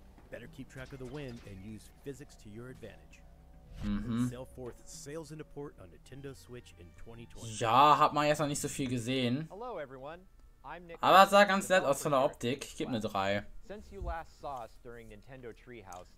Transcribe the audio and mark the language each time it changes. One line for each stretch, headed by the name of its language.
English: Better keep track of the wind and use physics to your advantage. Sailforth sails into port on Nintendo Switch in 2020.
German: Ja, hat man jetzt noch nicht so viel gesehen.
English: Hello everyone. I'm Nick.
German: Aber sah ganz nett aus von der Optik. Ich gebe eine 3.
English: Since you last saw us during Nintendo Treehouse.